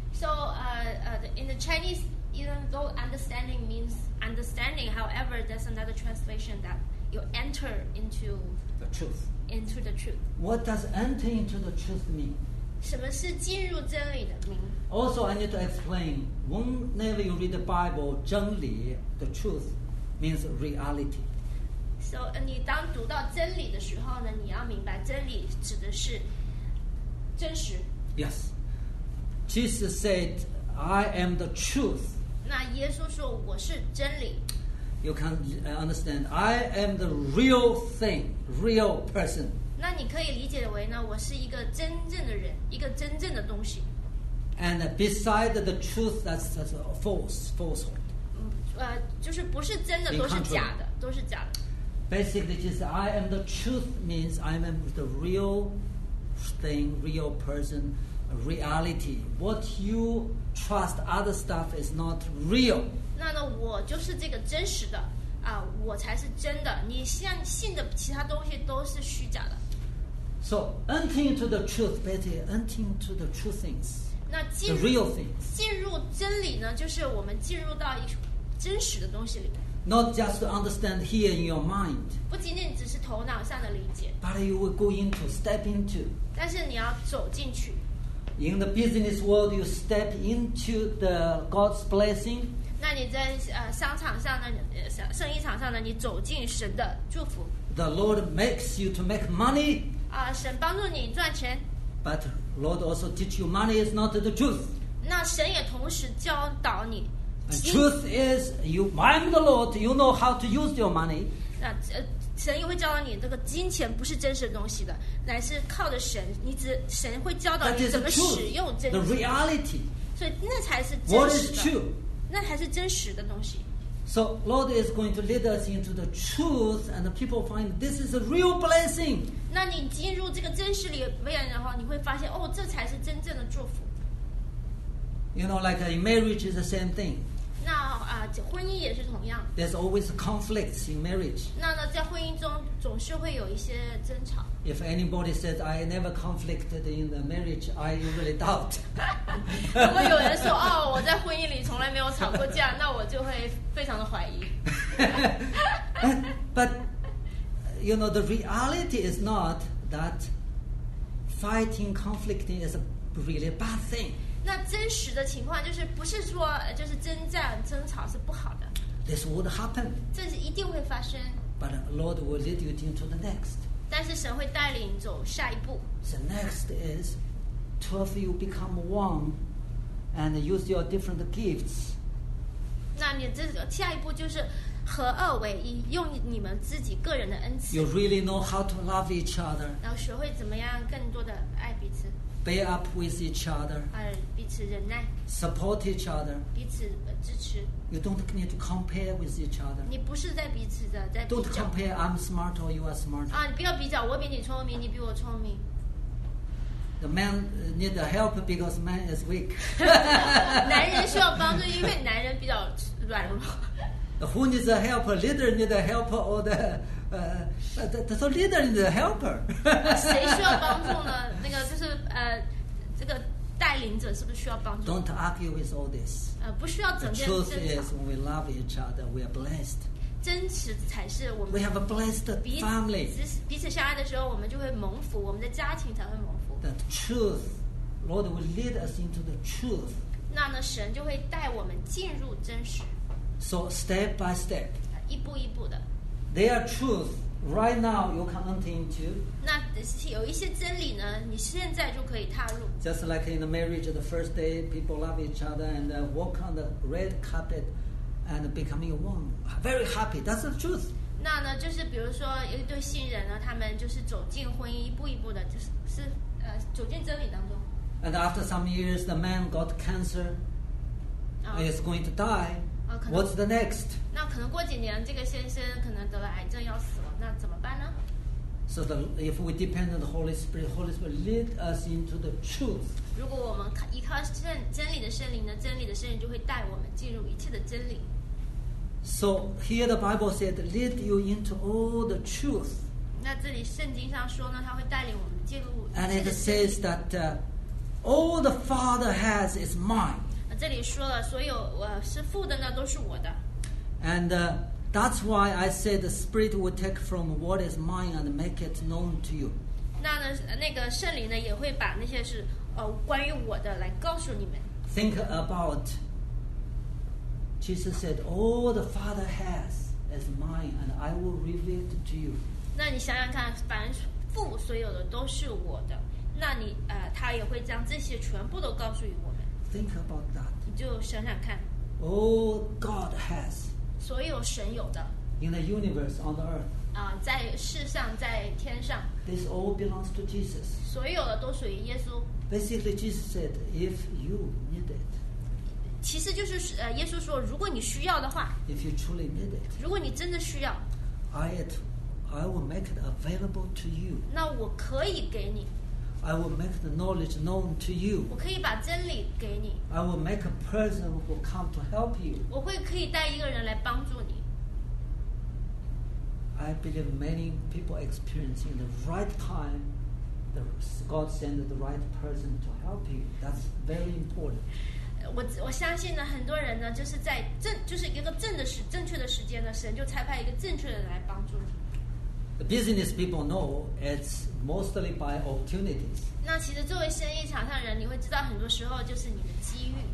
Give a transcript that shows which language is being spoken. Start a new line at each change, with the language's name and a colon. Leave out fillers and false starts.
English: So in the Chinese, even though understanding means understanding, however, there's another translation that you enter into the truth. Into the truth. What does enter into the truth mean?
Chinese: 什么是进入真理的
English: mean? Also, I need to explain. Whenever you read the Bible,
Chinese: 真理
English: the truth means reality. So,
Chinese: 你当读到真理的时候呢，你要明白真理指的是。
English: Yes. Jesus said, I am the truth.
Chinese: 那耶稣说我是真理。
English: You can understand, I am the real thing, real person.
Chinese: 那你可以理解为呢，我是一个真正的人，一个真正的东西。
English: And beside the truth, that's a falsehood.
Chinese: 就是不是真的都是假的，都是假的。
English: basically just I am the truth means I am the real thing, real person, reality. What you trust other stuff is not real.
Chinese: 那我就是这个真实的啊，我才是真的。你相信的其他东西都是虚假的。
English: So entering into the truth, basically entering into the true things.
Chinese: 那进入
English: the real things.
Chinese: 进入真理呢，就是我们进入到一真实的东西里面。
English: Not just to understand here in your mind.
Chinese: 不仅仅只是头脑上的理解。
English: But you will go into, step into.
Chinese: 但是你要走进去。
English: In the business world, you step into the God's blessing.
Chinese: 那你在商场上的生意场上呢，你走进神的祝福。
English: The Lord makes you to make money.
Chinese: 啊，神帮助你赚钱。
English: But Lord also teach you money is not the truth.
Chinese: 那神也同时教导你。
English: And truth is, you, I'm the Lord, you know how to use your money.
Chinese: 那神也会教导你，这个金钱不是真实的东西的，乃是靠着神。你只神会教导你怎么使用真实。
English: The reality.
Chinese: 所以那才是真实的。
English: What is true?
Chinese: 那才是真实的东西。
English: So Lord is going to lead us into the truth, and the people find this is a real blessing.
Chinese: 那你进入这个真实里面的话，你会发现哦，这才是真正的祝福。
English: You know, like in marriage is the same thing.
Chinese: 那婚姻也是同样。
English: There's always conflicts in marriage.
Chinese: 那呢，在婚姻中总是会有一些争吵。
English: If anybody says I never conflicted in the marriage, I really doubt.
Chinese: 如果有人说哦，我在婚姻里从来没有吵过架，那我就会非常的怀疑。
English: But you know, the reality is not that fighting, conflicting is a really bad thing.
Chinese: 那真实的情况就是不是说就是征战争吵是不好的。
English: This would happen.
Chinese: 这是一定会发生。
English: But Lord will lead you into the next.
Chinese: 但是神会带领走下一步。
English: The next is, two of you become one, and use your different gifts.
Chinese: 那你这下一步就是合二为一，用你们自己个人的恩赐。
English: You really know how to love each other.
Chinese: 然后学会怎么样更多的爱彼此。
English: Bear up with each other.
Chinese: 彼此忍耐。
English: Support each other.
Chinese: 彼此支持。
English: You don't need to compare with each other.
Chinese: 你不是在彼此的在比较。
English: Don't compare. I'm smart or you are smart.
Chinese: 你不要比较，我比你聪明，你比我聪明。
English: The man need the help because man is weak.
Chinese: 男人需要帮助，因为男人比较软弱。
English: Who needs a helper? Leader needs a helper or the, so leader needs a helper.
Chinese: 谁需要帮助呢？那个就是这个带领者是不是需要帮助？
English: Don't argue with all this.
Chinese: 不需要整天争吵。
English: The truth is, we love each other. We are blessed.
Chinese: 真实才是我们。
English: We have a blessed family.
Chinese: 彼此相爱的时候，我们就会蒙福，我们的家庭才会蒙福。
English: The truth, Lord will lead us into the truth.
Chinese: 那呢，神就会带我们进入真实。
English: So step by step,
Chinese: 一步一步的
English: There are truth right now you can enter into.
Chinese: 那有一些真理呢，你现在就可以踏入
English: Just like in the marriage, the first day people love each other and walk on the red carpet and becoming one, very happy. That's the truth.
Chinese: 那呢，就是比如说一对新人呢，他们就是走进婚姻，一步一步的，就是走进真理当中。
English: And after some years, the man got cancer. Is going to die. What's the next?
Chinese: 那可能过几年，这个先生可能得了癌症要死了，那怎么办呢？
English: So the, if we depend on the Holy Spirit, Holy Spirit lead us into the truth.
Chinese: 如果我们依靠真理的圣灵呢，真理的圣灵就会带我们进入一切的真理。
English: So here the Bible said, lead you into all the truth.
Chinese: 那这里圣经上说呢，他会带领我们进入。
English: And it says that all the Father has is mine.
Chinese: 这里说了，所有是父的呢，都是我的。
English: And that's why I said the Spirit will take from what is mine and make it known to you.
Chinese: 那呢，那个圣灵呢，也会把那些是关于我的来告诉你们。
English: Think about Jesus said, "All the Father has is mine, and I will reveal it to you."
Chinese: 那你想想看，凡父所有的都是我的，那你他也会将这些全部都告诉于我们。
English: Think about that.
Chinese: 你就想想看。
English: All God has.
Chinese: 所有神有的。
English: In the universe on the earth.
Chinese: 在世上，在天上。
English: This all belongs to Jesus.
Chinese: 所有的都属于耶稣。
English: Basically, Jesus said, "If you need it."
Chinese: 其实就是耶稣说，如果你需要的话。
English: If you truly need it.
Chinese: 如果你真的需要。
English: I it I will make it available to you.
Chinese: 那我可以给你。
English: I will make the knowledge known to you.
Chinese: 我可以把真理给你。
English: I will make a person who will come to help you.
Chinese: 我会可以带一个人来帮助你。
English: I believe many people experience in the right time, God sent the right person to help you. That's very important.
Chinese: 我相信呢，很多人呢，就是在正，就是一个正的时，正确的时间呢，神就差派一个正确的人来帮助你。
English: The business people know it's mostly by opportunities.
Chinese: 那其实作为生意场上人，你会知道很多时候就是你的机遇。